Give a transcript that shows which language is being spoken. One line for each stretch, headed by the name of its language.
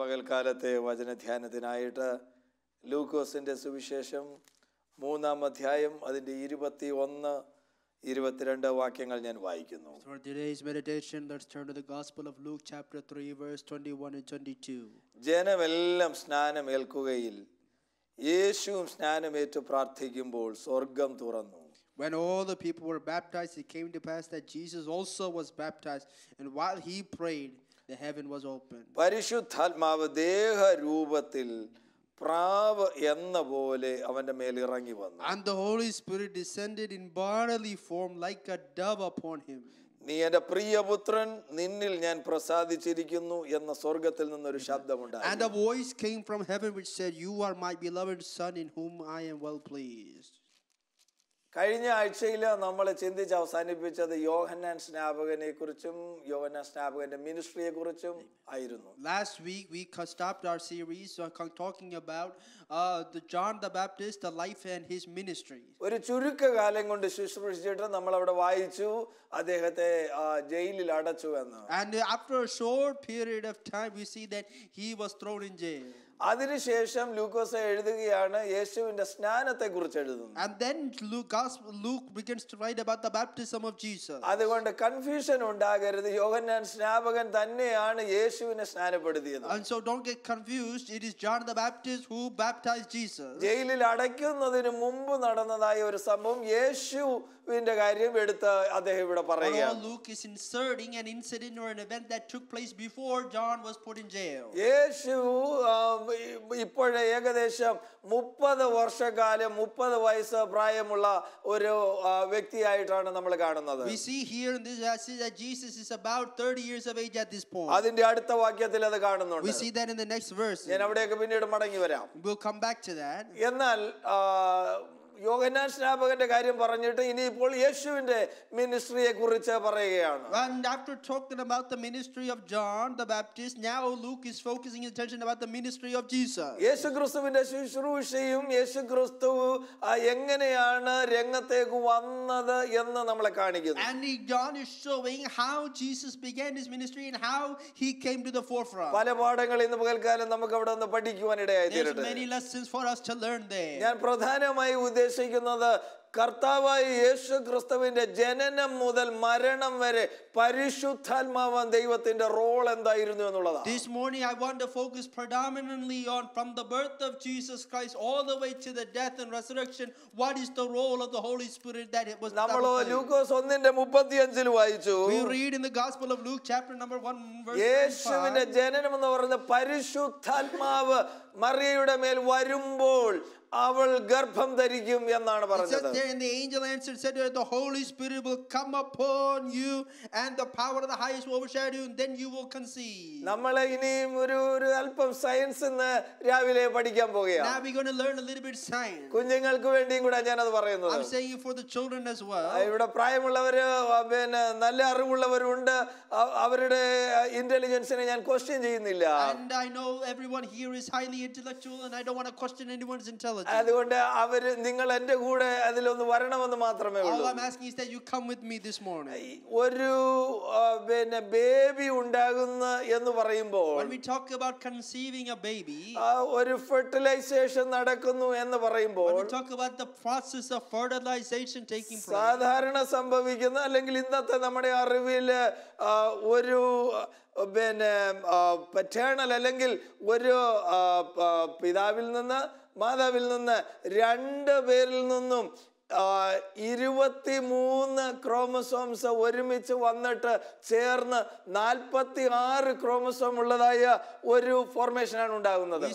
Malayalam: കാലത്തെ വചനധ്യാനത്തിനായിട്ട് ലൂക്കോസിന്റെ സുവിശേഷം മൂന്നാം അധ്യായം അതിന്റെ 21 22 വാക്യങ്ങൾ ഞാൻ വായിക്കുന്നു.
English: For today's meditation, let's turn to the Gospel of Luke chapter 3 verse 21 and 22.
Malayalam: ജനമെല്ലാം സ്നാനം ഏൽക്കുകയിൽ യേശുവും സ്നാനമേറ്റു പ്രാർത്ഥിക്കുമ്പോൾ സ്വർഗം തുറന്നു.
English: When all the people were baptized, it came to pass that Jesus also was baptized, and while he prayed, the heaven was opened.
Malayalam: പരിശുദ്ധാത്മാവ് ദേഹരൂപത്തിൽ പ്രാവ് എന്ന പോലെ അവന്റെ മേൽ ഇറങ്ങി വന്നു.
English: And the Holy Spirit descended in bodily form like a dove upon him.
Malayalam: നീ എന്റെ പ്രിയപുത്രൻ നിന്നിൽ ഞാൻ പ്രസാദിച്ചിരിക്കുന്നു എന്ന സ്വർഗത്തിൽ നിന്നൊരു ശബ്ദമുണ്ടായി.
English: And a voice came from heaven which said, "You are my beloved son in whom I am well pleased."
Malayalam: കഴിഞ്ഞ ആഴ്ചയിൽ നമ്മൾ ചിന്തിച്ച് അവസാനിപ്പിച്ചത് യോഹന്നാൻ സ്നാപകനെ കുറിച്ചും യോഹന്നാൻ സ്നാപകന്റെ മിനിസ്ട്രിയെ കുറിച്ചും ആയിരുന്നു.
English: Last week we stopped our series talking about the John the Baptist, the life and his ministry.
Malayalam: ഒരു ചുരുക്കകാലം കൊണ്ട് ശുശ്രൂഷിച്ചിട്ട് നമ്മൾ അവിടെ വായിച്ചു അദ്ദേഹത്തെ ജയിലിൽ അടച്ചു എന്ന്.
English: And after a short period of time we see that he was thrown in jail.
Malayalam: അതിനുശേഷം ലൂക്കോസ് എഴുതുകയാണ് യേശുവിന്റെ സ്നാനത്തെ കുറിച്ച് എഴുതുന്നത്.
English: And then Luke begins to write about the baptism of Jesus.
Malayalam: അതുകൊണ്ട് കൺഫ്യൂഷൻ ഉണ്ടാകരുത്. യോഹന്നാൻ സ്നാപകൻ തന്നെയാണ് യേശുവിനെ സ്നാനപ്പെടുത്തിയത്.
English: And so don't get confused. It is John the Baptist who baptized Jesus.
Malayalam: ജയിലിൽ അടയ്ക്കുന്നതിന് മുമ്പ് നടന്നതായ ഒരു സംഭവം യേശുവിന്റെ കാര്യം എടുത്ത് അദ്ദേഹം ഇവിടെ പറയുകയാണ്.
English: Luke is inserting an incident or an event that took place before John was put in jail.
Malayalam: യേശു ഇപ്പോഴേ ഏകദേശം 30 വയസ്സ് പ്രായമുള്ള ഒരു വ്യക്തിയായിട്ടാണ് നമ്മൾ കാണുന്നത്.
English: We see here in this passage that Jesus is about 30 years of age at this point.
Malayalam: അതിന്റെ അടുത്ത വാക്യത്തിൽ അത് കാണുന്നുണ്ട്.
English: We see that in the next verse.
Malayalam: ഞാൻ അവിടേക്ക് പിന്നീട് മടങ്ങി വരാം.
English: We'll come back to that.
Malayalam: എന്നാൽ യോഹന്നാൻ സ്നാപകന്റെ കാര്യം പറഞ്ഞിട്ട് ഇനി ഇപ്പോൾ യേശുവിന്റെ മിനിസ്ട്രിയെ കുറിച്ച് പറയുകയാണ്.
English: And after talking about the ministry of John the Baptist, now Luke is focusing his attention about the ministry of Jesus.
Malayalam: യേശുക്രിസ്തുവിന്റെ ശുശ്രൂഷയും യേശുക്രിസ്തു എങ്ങനെയാണ് രംഗത്തേക്ക് വന്നത് എന്ന് നമ്മളെ കാണിക്കുന്നു.
English: And John is showing how Jesus began his ministry and how he came to the forefront.
Malayalam: പല പാഠങ്ങൾ ഇന്ന് മുതൽക്കാലം നമുക്ക് അവിടെ നിന്ന് പഠിക്കുവാൻ ഇടയായി തീരട്ടെ.
English: There are many lessons for us to learn there.
Malayalam: ഞാൻ പ്രധാനമായി ഉദ്ദേശിക്കുന്നത് കർത്താവായ യേശു ക്രിസ്തുവിന്റെ ജനനം മുതൽ മരണം വരെ പരിശുദ്ധാത്മാവൻ ദൈവത്തിന്റെ റോൾ എന്തായിരുന്നു എന്നുള്ളതാണ്.
English: This morning I want to focus predominantly on from the birth of Jesus Christ all the way to the death and resurrection, what is the role of the Holy Spirit that it was.
Malayalam: നമ്മൾ ലൂക്കോസ് 1:35 ൽ വായിച്ചു.
English: We read in the Gospel of Luke chapter number 1 verse 35.
Malayalam: യേശുവിന്റെ ജനനം എന്ന് പറയുന്ന പരിശുദ്ധാത്മാവ് മറിയയുടെ മേൽ വരുമ്പോൾ അവൾ ഗർഭം ധരിക്കും എന്നാണ് പറഞ്ഞത്.
English: And the angel answered, said, "The Holy Spirit will come upon you, and the power of the Highest will overshadow you, and then you will conceive."
Malayalam: നമ്മളെ ഇനി ഒരു അല്പം സയൻസ് എന്ന് രാവിലെ പഠിക്കാൻ പോവുകയാണ്.
English: Now we're going to learn a little bit science.
Malayalam: കുഞ്ഞുങ്ങൾക്ക് വേണ്ടിയും കൂടെ ഞാൻ അത് പറയുന്നു.
English: I'm saying it for the children as well.
Malayalam: ഇവിടെ പ്രായമുള്ളവർ പിന്നെ നല്ല അറിവുള്ളവരുണ്ട്. അവരുടെ ഇന്റലിജൻസിനെ ഞാൻ ക്വസ്റ്റ്യൻ ചെയ്യുന്നില്ല.
English: And I know everyone here is highly intellectual, and I don't want to question anyone's intelligence.
Malayalam: അതുകൊണ്ട് അവർ നിങ്ങൾ എൻ്റെ കൂടെ അതിലൊന്ന് വരണമെന്ന് മാത്രമേ ഉള്ളൂ.
English: All I'm asking is that you come with me this morning.
Malayalam: ഒരു പിന്നെ ബേബി ഉണ്ടാകുന്ന എന്ന് പറയുമ്പോൾ,
English: when we talk about conceiving a baby,
Malayalam: ഒരു ഫെർട്ടിലൈസേഷൻ നടക്കുന്നു എന്ന് പറയുമ്പോൾ,
English: when we talk about the process of fertilization taking place,
Malayalam: സാധാരണ സംഭവിക്കുന്ന അല്ലെങ്കിൽ ഇന്നത്തെ നമ്മുടെ അറിവിൽ ഒരു പിന്നെ പറ്റേണൽ അല്ലെങ്കിൽ ഒരു പിതാവിൽ നിന്ന് മാതാവിൽ നിന്ന് രണ്ട് പേരിൽ നിന്നും 23 ക്രോമസോംസ് ഒരുമിച്ച് വന്നിട്ട് ചേർന്ന് 46 ക്രോമസോം ഉള്ളതായ ഒരു ഫോർമേഷനാണ് ഉണ്ടാകുന്നത്.